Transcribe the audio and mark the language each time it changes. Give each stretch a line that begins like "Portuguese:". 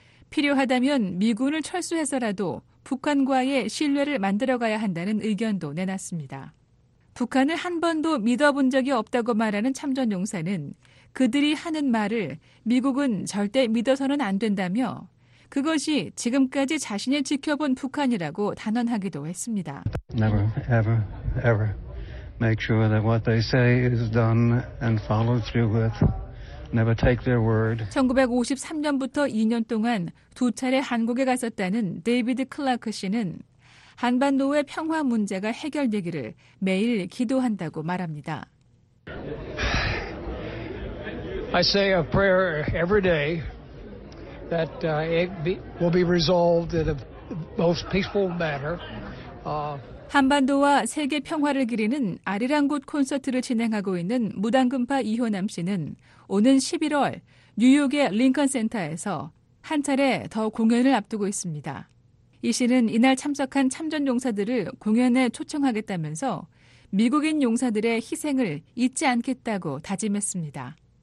Korean: 필요하다면 미군을 철수해서라도 북한과의 신뢰를 만들어가야 한다는 의견도 내놨습니다. 북한을 한 번도 믿어본 적이 없다고 말하는 참전 용사는 그들이 하는 말을 미국은 절대 믿어서는 안 된다며 그것이 지금까지 자신이 지켜본 북한이라고 단언하기도 했습니다.
English: Never, ever, ever make sure that what they say is done and followed through with. Never take their word.
Korean: 1953년부터 2년 동안 두 차례 한국에 갔었다는 데이비드 클라크 씨는 한반도의 평화 문제가 해결되기를 매일 기도한다고 말합니다.
English: I say a prayer every day. That it will be resolved in a most peaceful manner.
Korean: 한반도와 세계 평화를 기리는 아리랑 굿 콘서트를 진행하고 있는 무당금파 이호남 씨는 오는 11월 뉴욕의 링컨 센터에서 한 차례 더 공연을 앞두고 있습니다. 이 씨는 이날 참석한 참전 용사들을 공연에 초청하겠다면서 미국인 용사들의 희생을 잊지 않겠다고 다짐했습니다.